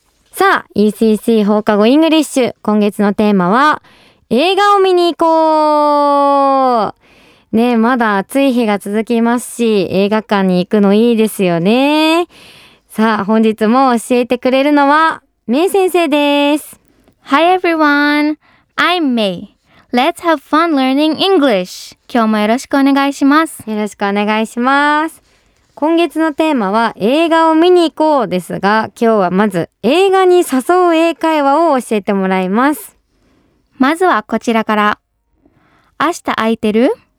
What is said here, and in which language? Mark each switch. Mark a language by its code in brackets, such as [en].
[ja] さあ ECC 放課後イングリッシュ、今月のテーマは映画を見に行こう。ねえ、まだ暑い日が続きますし、映画館に行くのいいですよね。さあ本日も教えてくれるのはMei 先生です。 [en] Hi everyone, I'm Mei. Let's have fun learning English. [ja] 今日もよろしくお願いします。よろしくお願いします。今月のテーマは映画を見に行こうですが、今日はまず映画に誘う英会話を教えてもらいます。まずはこちらから。明日空いてる？